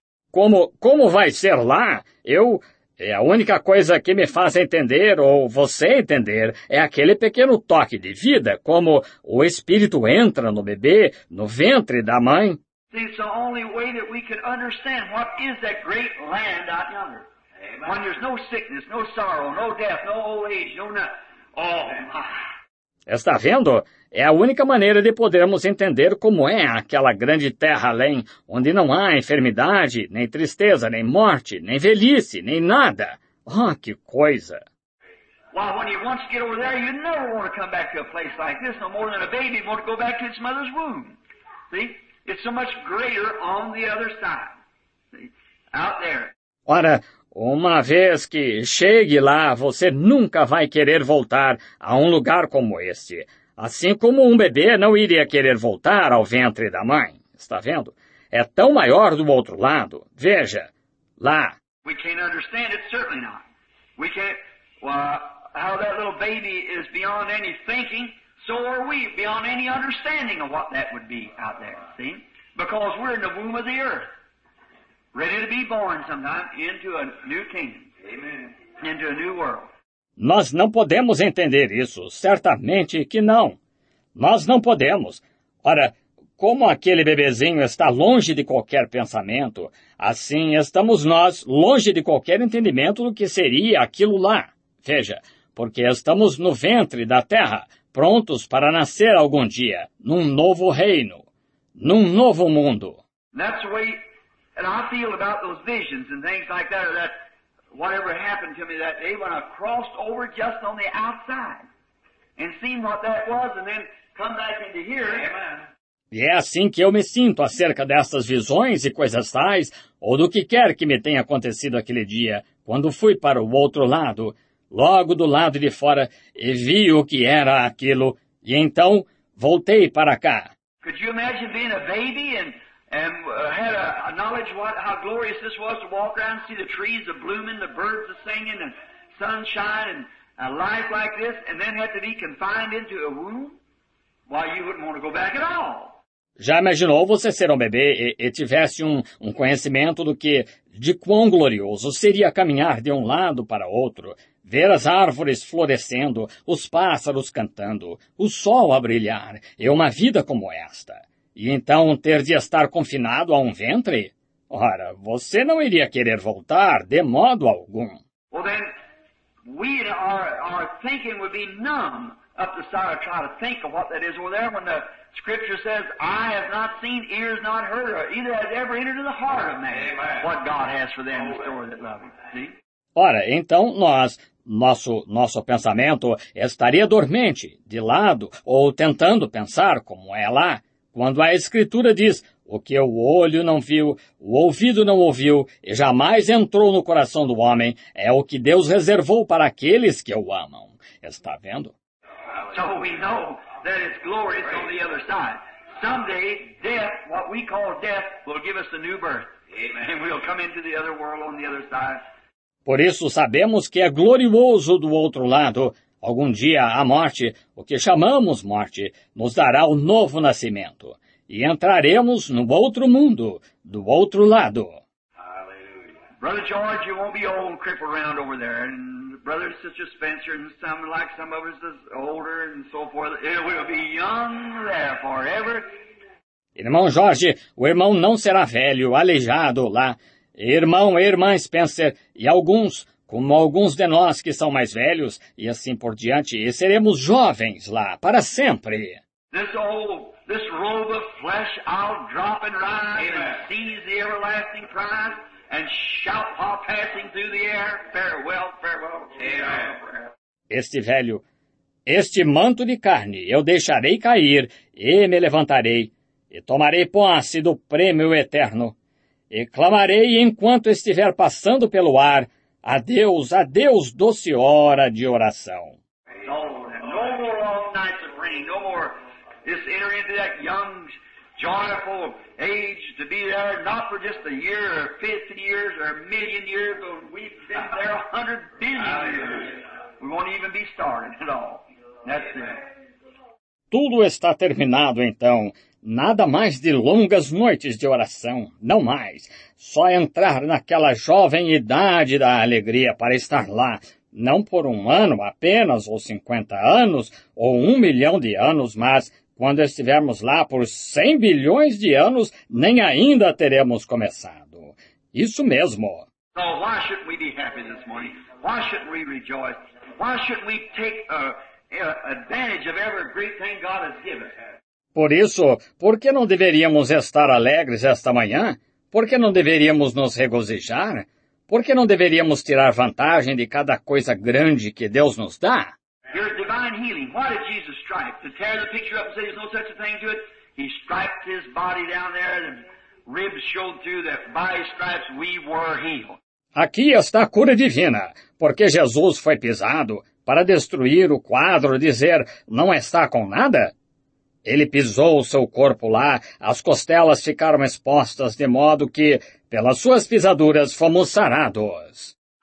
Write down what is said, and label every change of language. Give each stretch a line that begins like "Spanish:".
Portuguese: Como vai ser lá? É a única coisa que me faz entender, ou você entender, é aquele pequeno toque de vida, como o espírito entra no bebê, no ventre da mãe.
English: It's the only way that we can understand what is that great land out yonder. When there's no sickness, no sorrow, no death, no old age, no nothing. Oh, my.
Portuguese: Está vendo? É a única maneira de podermos entender como é aquela grande terra além, onde não há enfermidade, nem tristeza, nem morte, nem velhice, nem nada. Oh, que coisa!
English: Well, when you once get over there, you never want to come back to a place like this, no more than a baby want to go back to its mother's womb. See? It's so much greater on the other side. See? Out there.
Portuguese: Ora, uma vez que chegue lá, você nunca vai querer voltar a um lugar como este. Assim como um bebê não iria querer voltar ao ventre da mãe. Está vendo? É tão maior do outro lado. Veja, lá.
English: We can't understand it, certainly not. We can't, well, how that little baby is beyond any thinking, so are we beyond any understanding of what that would be out there, see? Because we're in the womb of the earth. Ready to be born sometime into a new kingdom. Amen. Into a new world.
Portuguese: Nós não podemos entender isso, certamente que não. Nós não podemos. Ora, como aquele bebezinho está longe de qualquer pensamento, assim estamos nós longe de qualquer entendimento do que seria aquilo lá. Veja, porque estamos no ventre da terra, prontos para nascer algum dia, num novo reino, num novo mundo.
English: That's the way. And I feel about those visions and things like that, or that whatever happened to me that day when I crossed over just on the outside and seen what that was and then come back into here.
Portuguese: E é assim que eu me sinto acerca dessas visões e coisas tais, ou do que quer que me tenha acontecido aquele dia, quando fui para o outro lado, logo do lado de fora, e vi o que era aquilo, e então voltei para cá.
English: Could you imagine being a baby and had a knowledge how glorious this was to walk around and see the trees a-blooming, the birds a-singing, and sunshine, and a life like this, and then had to be confined into a womb? Why, you wouldn't want to go back at all.
Portuguese: Já imaginou você ser um bebê e tivesse um conhecimento do que, de quão glorioso seria caminhar de um lado para outro, ver as árvores florescendo, os pássaros cantando, o sol a brilhar, e uma vida como esta? e então ter de estar confinado a um ventre? Ora, você não iria querer voltar de modo algum.
English: Well, then, our thinking would be numb up the side of trying to think of what that is over there when the scripture says, I have not seen, ears not heard, or either has ever entered into the heart of man. Amen. What God has for them in store that love him.
Portuguese: Ora, então nós, nosso pensamento estaria dormente, de lado, ou tentando pensar como é lá, quando a Escritura diz, o que o olho não viu, o ouvido não ouviu, e jamais entrou no coração do homem, é o que Deus reservou para aqueles que o amam. Está vendo?
English: So we know that it's glorious on the other side. Someday, death, what we call death, will give us a new birth. Amen. And we'll come into the other world on the other side.
Portuguese: Por isso sabemos que é glorioso do outro lado. Algum dia a morte, o que chamamos morte, nos dará o novo nascimento. E entraremos no outro mundo, do outro lado. Aleluia.
English: Brother George, you won't be old and crippled around over there. And Brother and Sister Spencer and some, like some of us, is older and so forth. It will be young there forever.
Portuguese: Irmão Jorge, o irmão não será velho, aleijado lá. Irmão e irmã Spencer, e alguns, como alguns de nós que são mais velhos, e assim por diante, e seremos jovens lá, para sempre.
English: This robe of flesh I'll drop and rise, and seize the everlasting prize, and shout while passing through the air, farewell, farewell.
Portuguese: Este manto de carne eu deixarei cair, e me levantarei, e tomarei posse do prêmio eterno. E clamarei enquanto estiver passando pelo ar, adeus, adeus, doce hora de oração.
English: No more long nights of rain, no more this enter into that young, joyful age to be there, not for just a year or 50 years or a million years, but we've been there 100 billion years. We won't even be starting at all. That's it.
Portuguese: Tudo está terminado, então. Nada mais de longas noites de oração, não mais. Só entrar naquela jovem idade da alegria para estar lá, não por um ano apenas, ou 50 anos, ou 1 milhão de anos, mas quando estivermos lá por 100 bilhões de anos, nem ainda teremos começado. Isso mesmo.
English: So why shouldn't we be happy this morning? Why shouldn't we rejoice? Why shouldn't we take advantage of every great thing God has given us?
Portuguese: Por isso, por que não deveríamos estar alegres esta manhã? Por que não deveríamos nos regozijar? Por que não deveríamos tirar vantagem de cada coisa grande que Deus nos dá?
English: Your divine healing. Why did Jesus strike? To tear the picture up and say there's no such a thing to it? He striped his body down there, and ribs showed through that by stripes we were healed.
Portuguese: Aqui está a cura divina. Por que Jesus foi pisado? Para destruir o quadro, dizer, não está com nada? Ele pisou o seu corpo lá, as costelas ficaram expostas, de modo que, pelas suas pisaduras, fomos sarados.